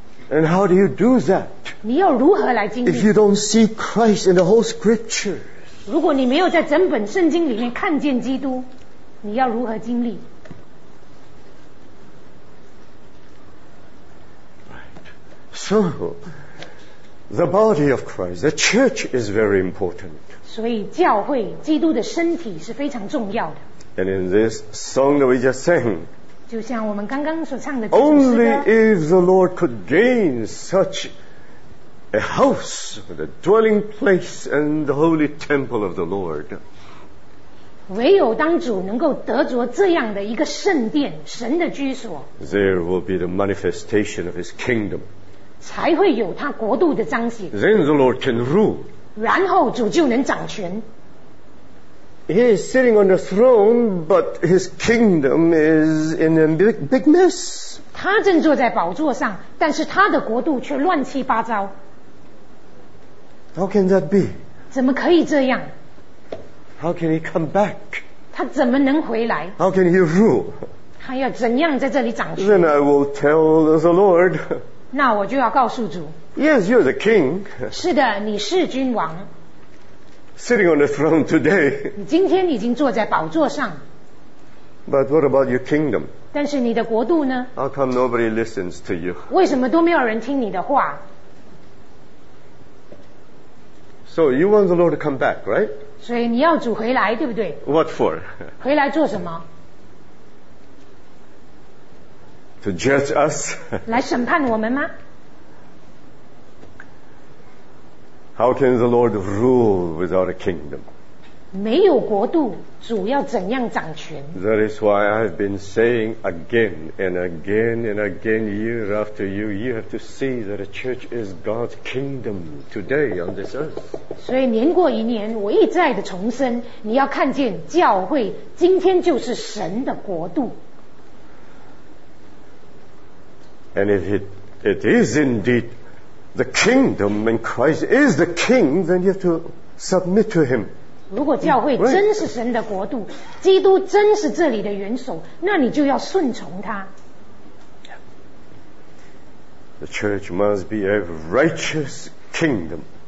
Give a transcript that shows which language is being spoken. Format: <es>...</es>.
<en>And how do you do that?</en> <zh>你要如何来经历？</zh> <en>If you don't see Christ in the whole scripture,</en> <zh>如果你没有在整本圣经里面看见基督，你要如何经历？</zh> <en>Right. So the body of Christ, the church is very important.</en> <zh>所以教会基督的身体是非常重要的。</zh> <en>And in this song that we just sang,</en> <zh>就像我们刚刚所唱的</zh> <en>Only if the Lord could gain such a house, the dwelling place, and the holy temple of the Lord.</en> <zh>唯有当主能够得着这样的一个圣殿，神的居所。</zh> <en>There will be the manifestation of His kingdom.</en> <zh>才会有他国度的彰显。</zh> <en>Then the Lord can rule.</en> <zh>然后主就能掌权。</zh> <en>He is sitting on the throne, but His kingdom is in a big mess.</en> <zh>他正坐在宝座上，但是他的国度却乱七八糟。</zh> <en>How can that be?</en> <zh>怎么可以这样？</zh> <en>How can he come back?</en> <zh>他怎么能回来?</zh> <en>How can he rule?</en> <zh>他要怎样在这里掌权?</zh> <en>Then I will tell the Lord.</en> <zh>那我就要告诉主。</zh> <en>Yes, you're the king.</en> <zh>是的，你是君王。</zh> <en>Sitting on the throne today.</en> <zh>你今天已经坐在宝座上。</zh> <en>But what about your kingdom?</en> <zh>但是你的国度呢?</zh> <en>How come nobody listens to you?</en> <zh>为什么都没有人听你的话?</zh> <en>So you want the Lord to come back, right?</en> <zh>所以你要主回来，对不对？</zh> <en>What for?</en> <zh>回来做什么？</zh> <en>To judge us?</en> <zh>来审判我们吗？</zh> <en>How can the Lord rule without a kingdom?</en> <zh>没有国度，主要怎样掌权？</zh> <en>That is why I've been saying again and again and again, year after year, you have to see that the church is God's kingdom today on this earth.</en> <zh>所以年过一年，我一再的重申，你要看见教会今天就是神的国度。</zh> <en>And if it is indeed the kingdom and Christ is the king, then you have to submit to him.</en> <zh>如果教会真是神的国度，基督真是这里的元首，那你就要顺从他。</zh> <en>The church must be a righteous kingdom.</en>